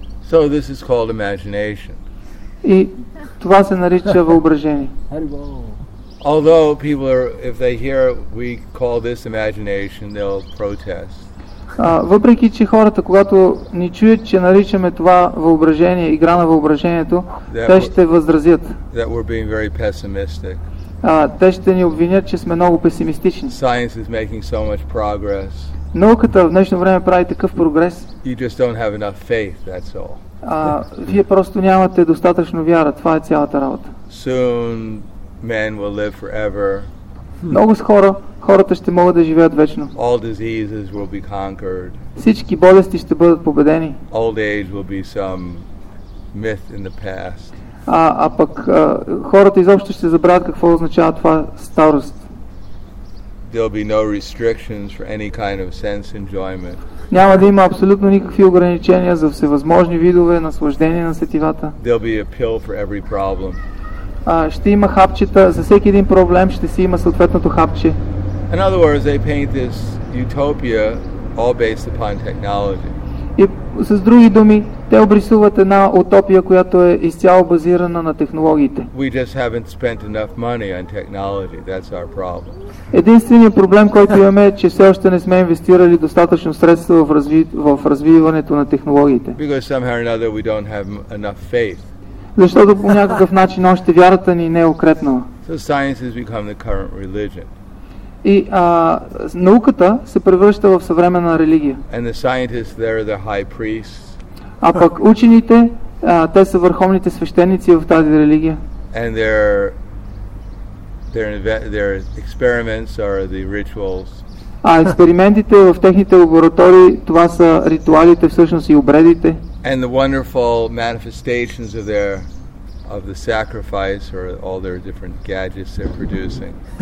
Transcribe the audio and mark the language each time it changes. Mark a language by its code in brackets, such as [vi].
[en] So this is called imagination. [bg] И това се нарича въображение. [en] Although people are, if they hear we call this imagination, they'll protest. [bg] Въпреки че хората, когато ни чуят, че наричаме това въображение, игра на въображението, те ще възразят. [en] That we're being very pessimistic. [bg] Те ще ни обвинят, че сме много песимистични. [en] Science is making so much progress. [bg] Науката в днешно време прави такъв прогрес. [en] You just don't have enough faith, that's all. [bg] Вие просто нямате достатъчно вяра, това е цялата работа. [en] Soon men will live forever. [bg] Много скоро хората ще могат да живеят вечно. [en] All diseases will be conquered. [bg] Всички болести ще бъдат победени. [en] Old age will be some myth in the past. [bg] Хората изобщо ще забравят какво означава това старост. [en] There'll be no restrictions for any kind of sense enjoyment. [bg] Няма да има абсолютно никакви ограничения за всевъзможни видове наслаждения на сетивата. [en] There'll be a pill for every problem. [bg] Ще има хапчета за всеки един проблем, ще си има съответното хапче. [en] In other words, they paint this utopia all based upon technology. [bg] И с други думи, те обрисуват една утопия, която е изцяло базирана на технологиите. [en] We just haven't spent enough money on technology. That's our problem. [bg] Единственият проблем, който имаме, е, че все още не сме инвестирали достатъчно средства в развиването на технологиите. [en] Because somehow or another we don't have enough faith. [bg] Защото по някакъв начин още вярата ни не е укрепнала. [en] So science has become the current religion. [bg] И науката се превръща в съвременна религия. [en] And the scientists, they're the high priests. [bg] А пък учените, те са върховните свещеници в тази религия. [en] And their experiments are the rituals. [bg] А експериментите в техните лаборатории, това са ритуалите всъщност и обредите. [en] And the wonderful manifestations of their of the sacrifice or all their different gadgets they're producing.